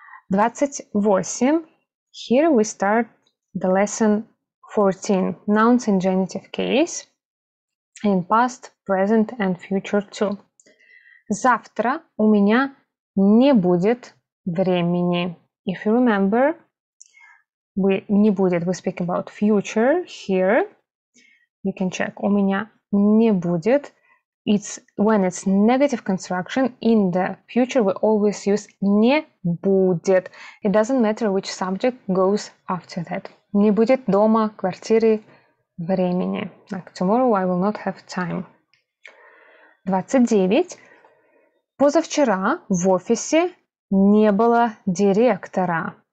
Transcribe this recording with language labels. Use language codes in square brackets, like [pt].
[en] 28. Here we start the lesson 14. Nouns in genitive case. In past, present and future too. [ru] Завтра у меня не будет времени. [en] If you remember, [ru] не будет, [en] we speak about future here. You can check. [ru] У меня не будет. [en] It's when it's negative construction, in the future we always use [ru] не будет. [en] It doesn't matter which subject goes after that. [ru] Не будет дома, квартиры, времени. [en] Like tomorrow I will not have time. 29. [ru] Позавчера в офисе не было директора.